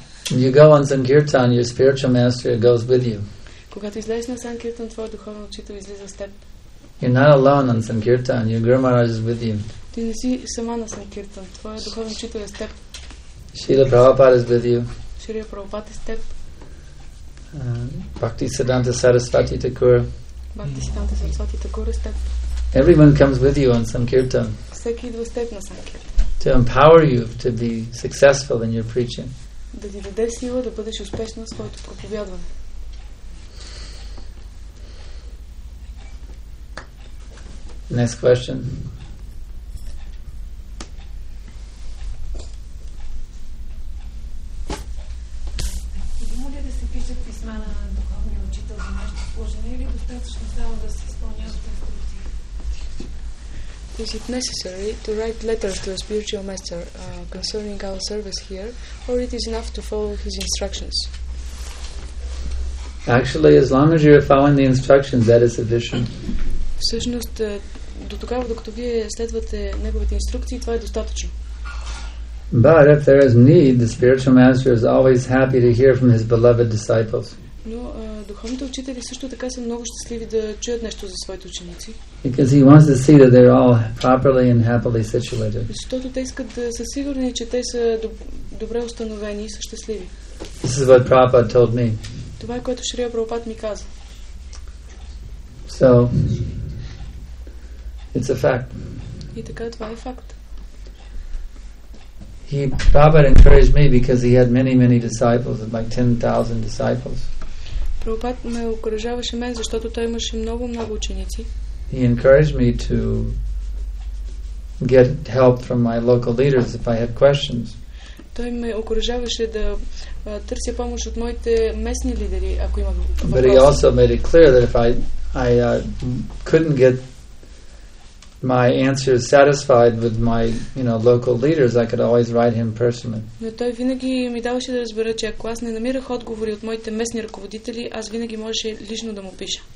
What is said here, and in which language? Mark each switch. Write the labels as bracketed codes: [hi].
[en] You go on Sankirtan, your spiritual master goes with you. [bg] Когато излезеш на Sankirtan, твой духовен учител излиза с теб. [en] You're not alone on Sankirtan, your Guru Maharaj is with you. [bg] Ти не си сама на Sankirtan, твой духовен учител е с теб. [en] Srila Prabhupada is with you. Srila Prabhupada is with you. Bhakti Siddhanta Saraswati Thakur. Bhakti Siddhanta Saraswati Thakur is with you. Everyone comes with you on Sankirtan. [bg] Всеки идва с теб на Sankirtan. [en] To empower you to be successful in your preaching. [bg] Да ти даде сила да бъдеш успешен в своето проповядване. [en] Next question. Is it necessary to write letters to a spiritual master concerning our service here, or it is enough to follow his instructions? Actually, as long as you are following the instructions, that is sufficient. [bg] Всъщност, до тогава, докато вие следвате неговите инструкции, това е достатъчно. [en] But if there is need, the spiritual master is always happy to hear from his beloved disciples. [bg] Но духовните учители също така са много щастливи да чуят нещо за своите ученици. [en] Because he wants to see that they're all properly and happily situated. [bg] Защото те искат да са сигурни, че те са добре установени и са щастливи. [en] This is what Prabhupada told me. [bg] Това е което Шрила Прабхупад ми каза. [en] So, it's a fact. [bg] И така това е факт. [en] Prabhupada encouraged me because he had many, many disciples, like 10,000 disciples. [bg] Прабхупад ме окружаваше мен, защото той имаше много ученици. [en] He encouraged me to get help from my local leaders if I had questions. [bg] Той ме окружаваше да търся помощ от моите местни лидери, ако имах въпроси. [en] But he also made it clear that if I couldn't get my answer is satisfied with my, you know, local leaders, I could always write him personally. [bg] Но той винаги ми даваше да разбера, че ако аз не намирах отговори от моите местни ръководители, аз винаги можеше лично да му пиша.